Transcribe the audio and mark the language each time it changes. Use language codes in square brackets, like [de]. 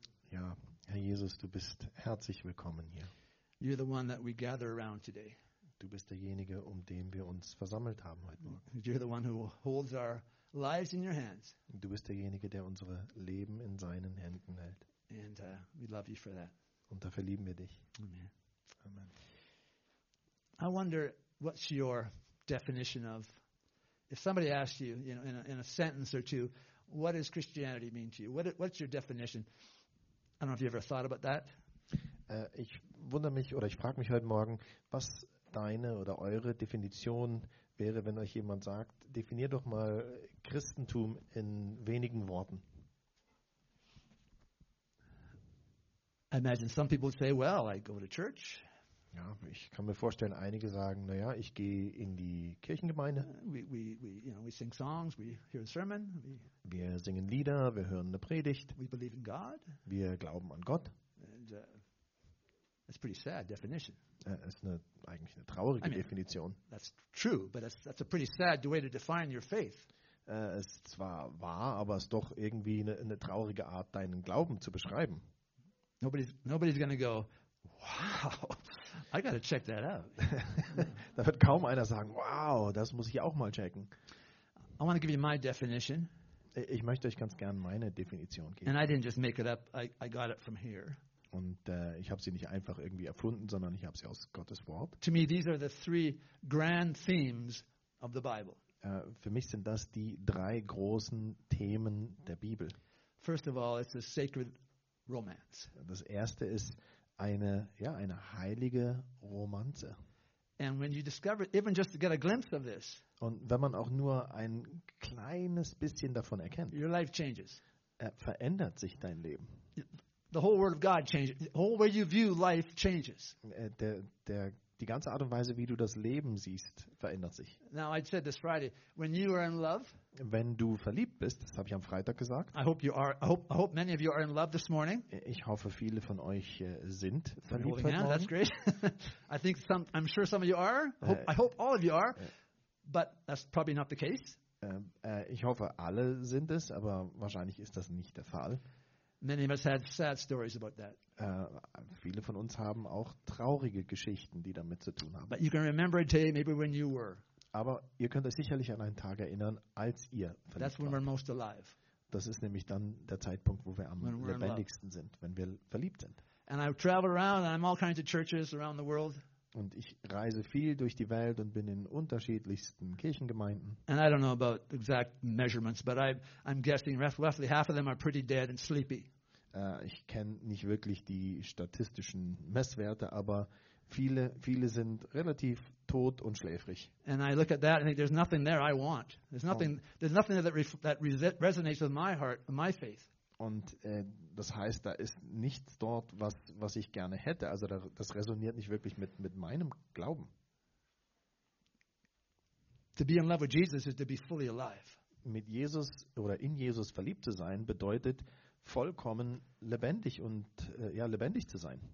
[de] Ja, Herr Jesus, du bist herzlich willkommen hier. [en] You're the one that we gather around today. [de] Du bist derjenige, den wir uns versammelt haben heute Morgen. [en] You're the one who holds our lives in your hands. [de] Du bist derjenige, unsere Leben in seinen Händen hält. [en] And we love you for that. [de] Und dafür lieben wir dich. [en] Amen. [de] Amen. [en] I wonder, what's your definition of? If somebody asked you, you know, in a sentence or two, what does Christianity mean to you? What's your definition? I don't know if you ever thought about that. [de] Ich wundere mich oder ich frage mich heute Morgen, was deine oder eure Definition wäre, wenn euch jemand sagt, definier doch mal Christentum in wenigen Worten. [en] I imagine some people say, well, I go to church. [de] Ja, ich kann mir vorstellen, einige sagen, naja, ich gehe in die Kirchengemeinde. [en] We sing songs, we hear a sermon, [de] wir singen Lieder, wir hören eine Predigt. [en] We believe in God. [de] Wir glauben an Gott. [en] And, That's a pretty sad definition. [de] Das ist eine, eigentlich eine traurige Definition. [en] That's true, but that's a pretty sad way to define your faith. [de] Es ist zwar wahr, aber es ist doch irgendwie eine traurige Art, deinen Glauben zu beschreiben. [en] Nobody's gonna go, wow, I gotta check that out. [de] Da wird kaum einer sagen, wow, das muss ich auch mal checken. [en] I want to give you my definition. [de] Ich möchte euch ganz gerne meine Definition geben. [en] And I didn't just make it up. I got it from here. [de] Und ich habe sie nicht einfach irgendwie erfunden, sondern ich habe sie aus Gottes Wort. [en] To me, these are the three grand themes of the Bible. [de] Für mich sind das die drei großen Themen der Bibel. [en] First of all, it's a sacred romance. [de] Das erste ist eine heilige Romanze. [en] And when you discover, even just to get a glimpse of this, [de] und wenn man auch nur ein kleines bisschen davon erkennt, [en] your life changes. [de] Verändert sich dein Leben. [en] The whole word of God changes. The whole way you view life changes. [de] Die ganze Art und Weise, wie du das Leben siehst, verändert sich. [en] Now I said this Friday, when you are in love. [de] Wenn du verliebt bist, das habe ich am Freitag gesagt. [en] I hope you are. I hope many of you are in love this morning. [de] Ich hoffe, viele von euch sind verliebt heute Morgen. [en] That's great. I think some. I'm sure some of you are. I hope all of you are. But that's probably not the case. [de] Ich hoffe, alle sind es, aber wahrscheinlich ist das nicht der Fall. [en] Many of us had sad stories about that. [de] Viele von uns haben auch traurige Geschichten, die damit zu tun haben. [en] But you can remember a day maybe when you were. [de] Aber ihr könnt euch sicherlich an einen Tag erinnern, als ihr verliebt wart. [en] That's when we're most alive. [de] Das ist nämlich dann der Zeitpunkt, wo wir am lebendigsten sind, wenn wir verliebt sind. [en] And I travel around and I'm all kinds of churches around the world. [de] Und ich reise viel durch die Welt und bin in unterschiedlichsten Kirchengemeinden. [en] And I don't know about exact measurements, but I'm guessing roughly half of them are pretty dead and sleepy. [de] Ich kenne nicht wirklich die statistischen Messwerte, aber viele sind relativ tot und schläfrig. [en] And I look at that and think there's nothing there I want. There's nothing there that resonates with my heart, my faith. [de] Und das heißt, da ist nichts dort, was ich gerne hätte. Also das resoniert nicht wirklich mit meinem Glauben. [en] To be in love with Jesus is to be fully alive. [de] Mit Jesus oder in Jesus verliebt zu sein bedeutet vollkommen lebendig und lebendig zu sein.